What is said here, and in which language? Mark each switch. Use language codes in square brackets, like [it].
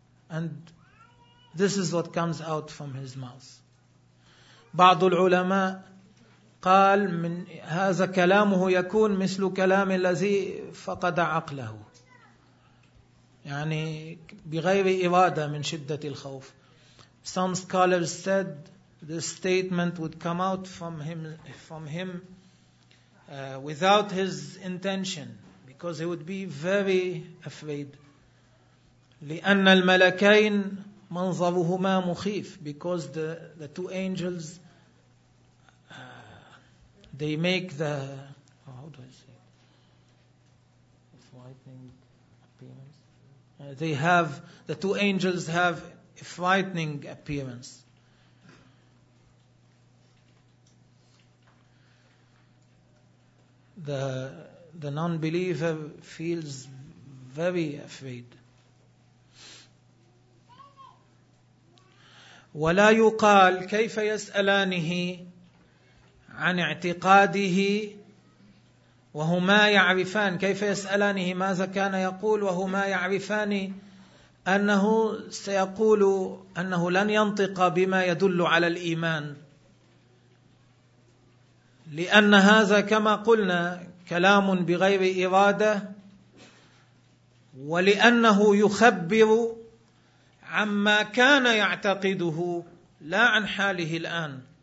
[en] And this is what comes out from his mouth. [ar] بعض العلماء قال من هذا كلامه يكون مثل كلام الذي فقد عقله يعني بغير إرادة من شدة الخوف. [en] Some scholars said this statement would come out from him without his intention, because he would be very afraid. [ar] لأن الملكين منظرهما مخيف, [en] because the two angels, they make the, how do I say it? Frightening appearance. They have, the two angels have a frightening appearance. The non-believer feels very afraid. [ar] ولا يقال كيف يسألانه عن اعتقاده وهما يعرفان. كيف يسألانه ماذا كان يقول وهما يعرفان أنه سيقول أنه لن ينطق بما يدل على الإيمان, لأن هذا كما قلنا كلام بغير إرادة, ولأنه يخبر عما كان يعتقده لا عن حاله الآن.